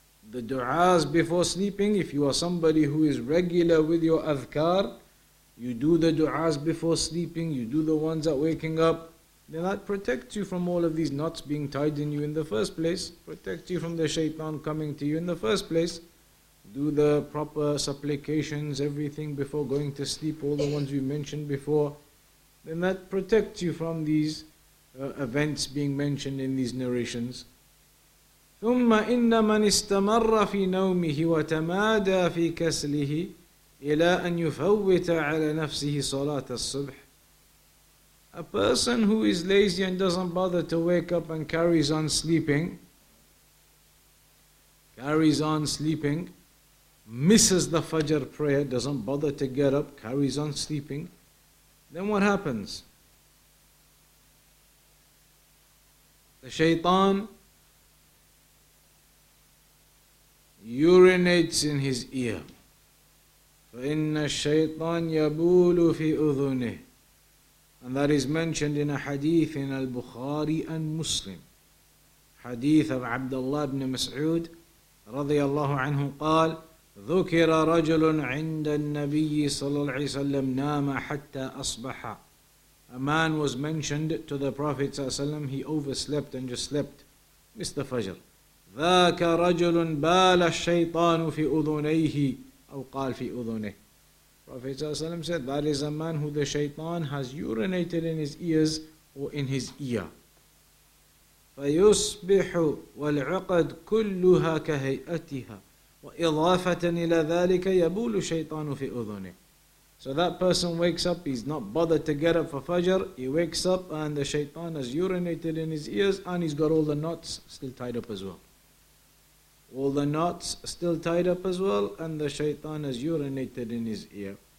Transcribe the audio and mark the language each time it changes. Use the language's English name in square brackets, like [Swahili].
[English] The du'as before sleeping, if you are somebody who is regular with your adhkar, you do the du'as before sleeping, you do the ones at waking up, then that protects you from all of these knots being tied in you in the first place, protects you from the shaitan coming to you in the first place. Do the proper supplications, everything before going to sleep, all the ones we mentioned before, then that protects you from these events being mentioned in these narrations. [Arabic] ثم إن من استمر في نومه وتمادى في كسله إلى أن يفوت على نفسه صلاة الصبح. [English] A person who is lazy and doesn't bother to wake up and carries on sleeping, misses the Fajr prayer, doesn't bother to get up, carries on sleeping, then what happens? The shaitan urinates in his ear. [Arabic] فَإِنَّ الشَّيْطَانَ يَبُولُ فِي أُذُنِهِ. [English] And that is mentioned in a hadith in Al-Bukhari and Muslim. [Arabic] Hadith of Abdullah ibn Mas'ud رضي الله عنه قال ذُكِرَ رَجُلٌ عِنْدَ النَّبِيِّ صلى الله عليه وسلم نَامَ حَتَّى أَصْبَحَ. [English] A man was mentioned to the Prophet صلى الله عليه وسلم. He overslept and just slept. Missed the Fajr. [Arabic] ذاك رجل بال الشيطان في أذنيه أو قال في أذنه. [English] Prophet ﷺ said, that is a man who the shaitan has urinated in his ears or in his ear. [Arabic] فيصبح والعقد كلها كهيئتها وإضافة إلى ذلك يبول الشيطان في أذنه. [English] So that person wakes up, he's not bothered to get up for Fajr, he wakes up and the shaitan has urinated in his ears and he's got all the knots still tied up as well. All the knots still tied up as well, and the shaitan has urinated in his ear.